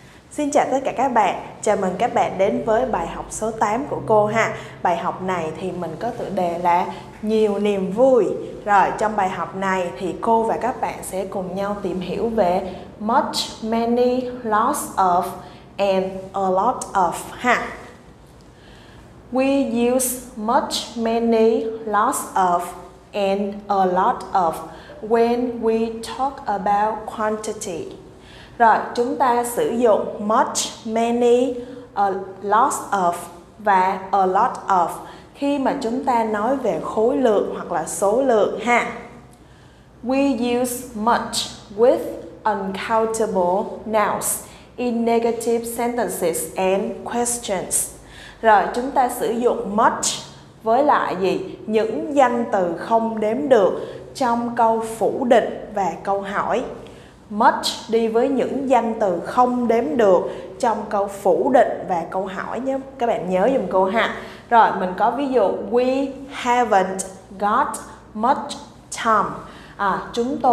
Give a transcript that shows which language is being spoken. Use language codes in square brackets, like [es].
[vi] Xin chào tất cả các bạn, chào mừng các bạn đến với bài học số 8 của cô ha. Bài học này thì mình có tựa đề là Nhiều Niềm Vui. Rồi, trong bài học này thì cô và các bạn sẽ cùng nhau tìm hiểu về Much, Many, Lots of and A Lot of ha. [en] We use much, many, lots of, and a lot of when we talk about quantity. [vi] Rồi, chúng ta sử dụng much, many, lots of và a lot of khi mà chúng ta nói về khối lượng hoặc là số lượng ha. [en] We use much with uncountable nouns in negative sentences and questions. [vi] Rồi, chúng ta sử dụng much với lại gì? Những danh từ không đếm được trong câu phủ định và câu hỏi. Much đi với những danh từ không đếm được trong câu phủ định và câu hỏi nhé. Các bạn nhớ dùm cô ha. Rồi, mình có ví dụ [en] we haven't got much time.